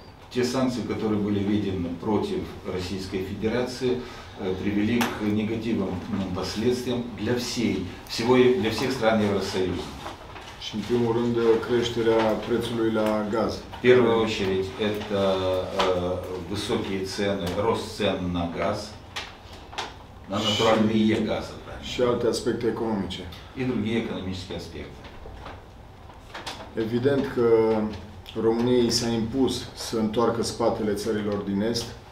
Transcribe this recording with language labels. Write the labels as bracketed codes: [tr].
[ru] Те санкции, которые были введены против Российской Федерации, привели к негативным последствиям для всех стран Евросоюза. [ro] Și în primul rând creșterea prețului la gaz. [ru] В первую очередь это высокие цены, рост цен на газ. На натуральные газы. Еще и аспекты экономические. И другие экономические аспекты. [ro] Evident că României s-a impus să întoarcă spatele țărilor din Est.